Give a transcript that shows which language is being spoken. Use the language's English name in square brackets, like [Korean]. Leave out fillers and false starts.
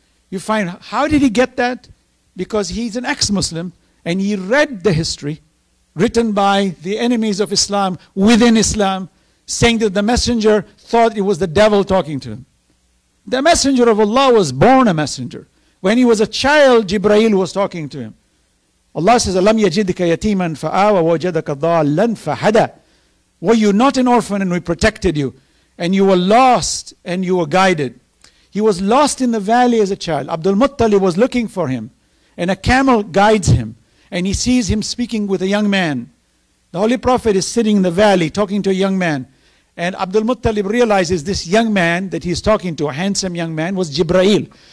[English] You find, how did he get that? Because he's an ex-Muslim, and he read the history written by the enemies of Islam within Islam, saying that the Messenger thought it was the devil talking to him. The Messenger of Allah was born a messenger. When he was a child, Jibreel was talking to him. Allah says, [Arabic] أَلَمْ يَجِدْكَ يَتِيمًا فَآوَى وَجَدَكَ ضَالًّا فَهَدَى. [English] Were you not an orphan and we protected you? And you were lost and you were guided. He was lost in the valley as a child. Abdul Muttalib was looking for him. And a camel guides him. And he sees him speaking with a young man. The Holy Prophet is sitting in the valley talking to a young man. And Abdul Muttalib realizes this young man that he's talking to, a handsome young man, was Jibreel.